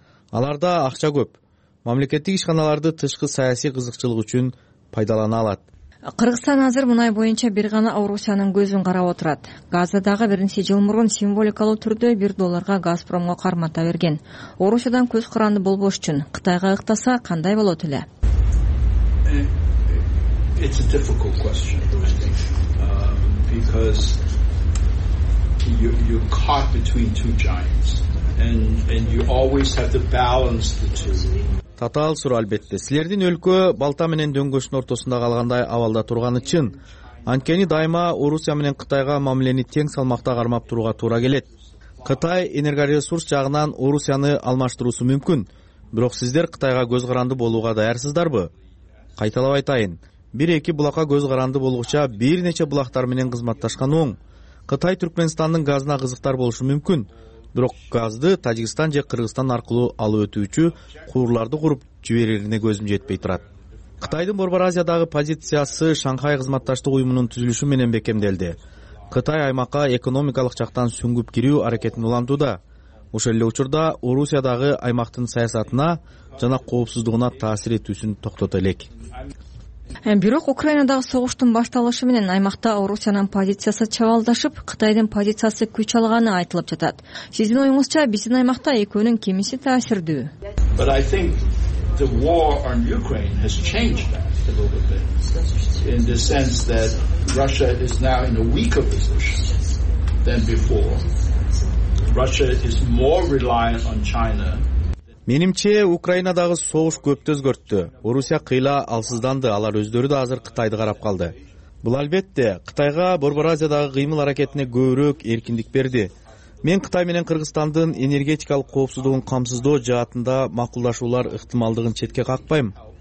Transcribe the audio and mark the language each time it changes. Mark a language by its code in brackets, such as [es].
[ky] Аларда акча көп. Мамлекеттик ишканаларды тышкы саясий кызыкчылык үчүн пайдалана алат. Кыргызстан азыр мунай боюнча бир гана Орусиянын көзүн карап отурат. Газда дагы биринчи жыл мурун символикалуу түрдө 1 долларга Газпромго кармата берген. Орусиядан көз каранды болбош үчүн Кытайга ыктаса кандай болот эле? [en] It's a difficult question, I think. Because you're caught between two giants and you always have to balance the two. [ky] татаал суроо албетте. Силердин өлкө балта менен дөңгөчтүн ортосунда калгандай абалда турганы чын. Анткени дайыма Орусия менен Кытайга мамилени тең салмакта кармап турууга туура келет. Кытай энергоресурс жагынан Орусияны алмаштыруусу мүмкүн. Бирок сиздер Кытайга көз каранды болууга даярсыздарбы? Кайталап айтайын. 1-2 булакка көз каранды болгуча бир нече булактар менен кызматташкан оң. Кытай Түркменстандын газына кызыктар болушу мүмкүн. Бирок газды Тажикстан же Кыргызстан аркылуу алып өтүүчү куурларды куруп жиберерине көзүм жетпей турат. Кытайдын Борбор Азиядагы позициясы Шанхай кызматташтык уюмунун түзүлүшү менен бекемделди. Кытай аймакка экономикалык жактан сүңгүп кирүү аракетин улантууда. Ошол эле учурда Орусиядагы аймактын саясатына жана коопсуздугуна таасир этүүсүн токтото элек. Бирок Украинадагы согуштун башталышы менен аймакта Орусиянын позициясы чабалдашып, Кытайдын позициясы күч алганы айтылып жатат. Сиздин оюңузча биздин аймакта экөөнүн кемиси таасирдүү? [en] But I think the war on Ukraine has changed that a little bit in the sense that Russia is now in a weaker position than before. Russia is more reliant on China. [ky] Менимче, Украинадагы согуш көптө өзгөрттү. Орусия кыйла алсызданды, алар өздөрү да азыр Кытайды карап калды. Бул албетте Кытайга Борбор Азиядагы кыймыл аракетине көбүрөөк эркиндик берди. Мен Кытай менен Кыргызстандын энергетикалык коопсуздугун камсыздоо жаатында макулдашуулар ыктымалдыгын четке какпайм.